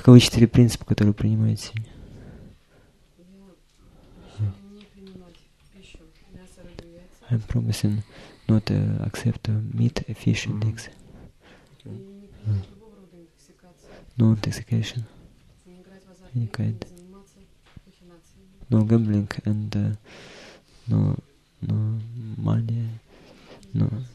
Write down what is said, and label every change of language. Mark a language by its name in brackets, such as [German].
[Russian] Каковы четыре принципа, которые принимаете? Не принимать пищу, мясо, рыбу, яйца. [English] I'm promising not to accept meat, fish, and eggs. [Russian] И любого рода интоксикации. [English] No intoxication. [Russian] Не играть в азарт, не заниматься махинациями. [English] No gambling and no money. No.